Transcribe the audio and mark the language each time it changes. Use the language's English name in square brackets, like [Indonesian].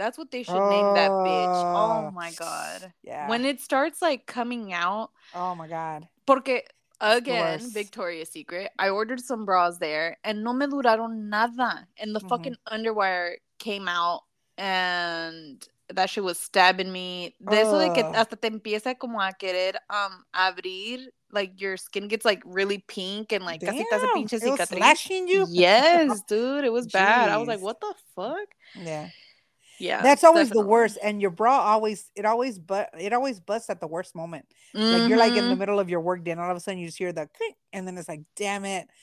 [English] That's what they should name that bitch. Oh my God. Yeah. When it starts like coming out. Oh my God. Porque again, Victoria's Secret, I ordered some bras there and no me duraron nada. And the fucking underwire came out and that shit was stabbing me. [Spanish] Eso de que hasta te empieza como a querer abrir. [English] Like, your skin gets, like, really pink and, like, [Spanish] damn, casi estás a pinche cicatriz. It was slashing you? [English] Yes, dude. It was bad. I was like, what the fuck? Yeah. Yeah. That's always definitely. The worst. And your bra always, it always busts at the worst moment. Mm-hmm. Like, you're, like, in the middle of your work day and all of a sudden you just hear the click and then it's like, damn it.